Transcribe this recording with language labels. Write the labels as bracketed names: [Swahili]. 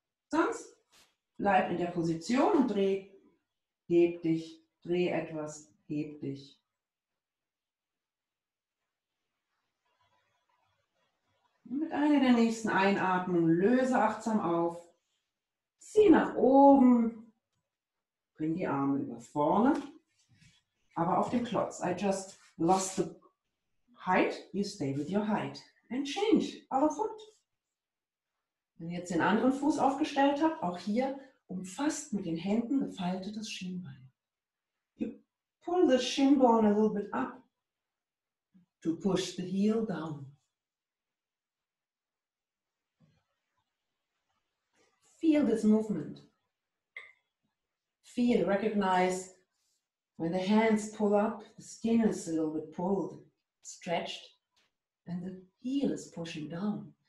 [German] Sonst bleib in der Position und dreh, heb dich, dreh etwas, heb dich. Und mit einer der nächsten Einatmungen löse achtsam auf, zieh nach oben. Bring die Arme über vorne, aber auf den Klotz. [English] I just lost the height, you stay with your height. And change, all of it. [German] Wenn ihr jetzt den anderen Fuß aufgestellt habt, auch hier umfasst mit den Händen gefaltetes Schienbein. [English] You pull the shin bone a little bit up. To push the heel down. Feel this movement. Feel, recognize when the hands pull up, the skin is a little bit pulled, stretched, and the heel is pushing down.